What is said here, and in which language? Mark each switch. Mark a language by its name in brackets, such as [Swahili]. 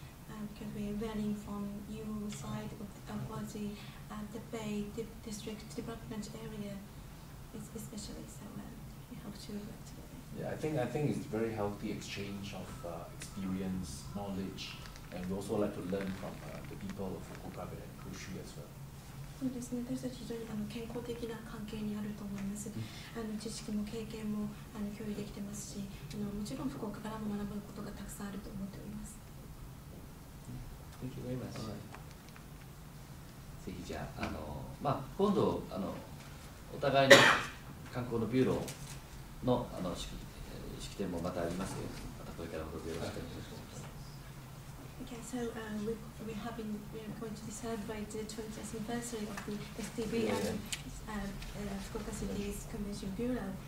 [English] Because we are learning from your side of the Bay District Development Area, especially, so we hope to work together. Yeah, I think it's a very healthy exchange of experience, knowledge, and we also like to learn from the people of Fukuoka and Kyushu as well. [Japanese] そうですね、私たち非常に健康的な関係にあると思います。知識も経験も共有できてますし、もちろん福岡からも学ぶことがたくさんあると思っております。 [English] Thank you very much. [Japanese] ぜひじゃあ、今度お互いの観光のビューロー の, 式典もまたありますので、またこれからもどうぞよろしくお願いします。 [English] Okay, so we're going to celebrate the 20th anniversary of the STB and Fukuoka City's Convention Bureau.